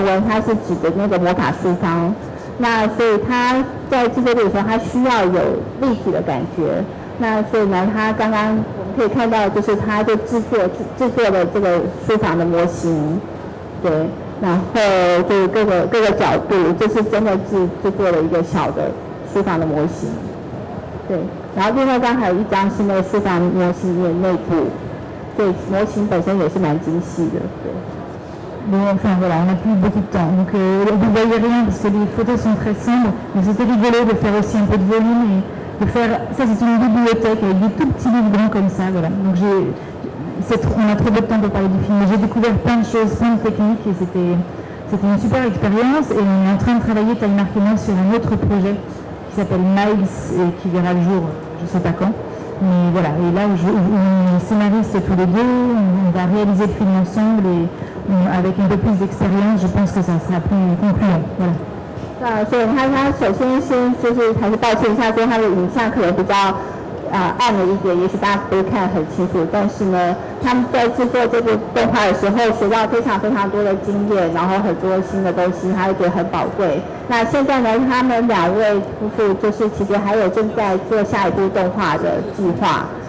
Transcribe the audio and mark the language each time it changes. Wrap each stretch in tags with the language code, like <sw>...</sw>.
<zh>Ah, 那所以他在制作的时候，他需要有立体的感觉。那所以呢，他刚刚我们可以看到，就是他就制作了这个书房的模型，对。然后就各个角度，就是真的制作了一个小的书房的模型，对。然后另外刚才有一张是那个书房模型的内部，对，模型本身也是蛮精细的，对。</zh> <fr>Mais enfin voilà, on n'a plus beaucoup de temps. Donc vous voyez rien parce que les photos sont très sombres, mais c'était rigolo de faire aussi un peu de volume et de faire. Ça c'est une bibliothèque avec des tout petits livres grands comme ça, voilà. Donc on a trop peu de temps pour parler du film. Mais j'ai découvert plein de choses, plein de techniques et c'était une super expérience. Et on est en train de travailler Taï-Marc et moi sur un autre projet qui s'appelle Miles et qui verra le jour, je ne sais pas quand. Mais voilà, et là on est scénariste tous les deux, on va réaliser le film ensemble et. Avec un peu plus d'expérience, je pense que ça sera plus concluant. Voilà.</fr> <zh>So,他首先就是还是抱歉一下，所以他的影像可能比较暗了一点，也许大家不会看很清楚。但是呢，他们在制作这部动画的时候，学到非常多的经验，然后很多新的东西，他也觉得很宝贵。那现在呢，他们两位就是其实还有正在做下一部动画的计划。</zh>